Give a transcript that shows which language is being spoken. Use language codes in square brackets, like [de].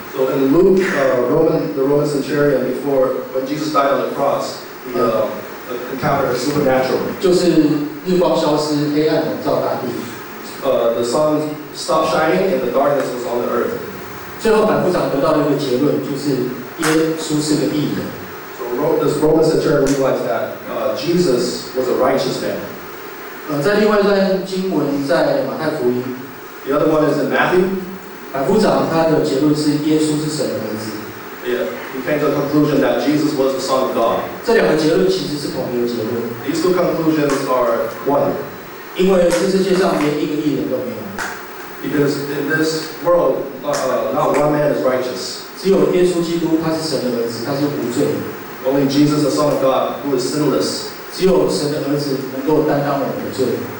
[en] So in Luke, the Roman centurion, before when Jesus died on the cross, encountered a supernatural. [zh] 就是日光消失，黑暗笼罩大地。 [en] The sun stopped shining, and the darkness was on the earth. [zh] 最后，百夫长得到一个结论，就是耶稣是个义人。 [en] This Roman centurion realized that Jesus was a righteous man. [zh] 在另外一段经文，在马太福音。 [en] The other one is in Matthew. [zh] 百夫长他的结论是耶稣是神的儿子。 [en] Yeah, he came to the conclusion that Jesus was the Son of God. [zh] 这两个结论其实是同一个结论。 [en] These two conclusions are one. [zh] 因为这世界上连一个义人都没有。 [en] Because in this world, not one man is righteous. [zh] 只有耶稣基督他是神的儿子，他是无罪的。 [en] Only Jesus, the Son of God, who is sinless. [zh] 只有神的儿子能够担当我们的罪。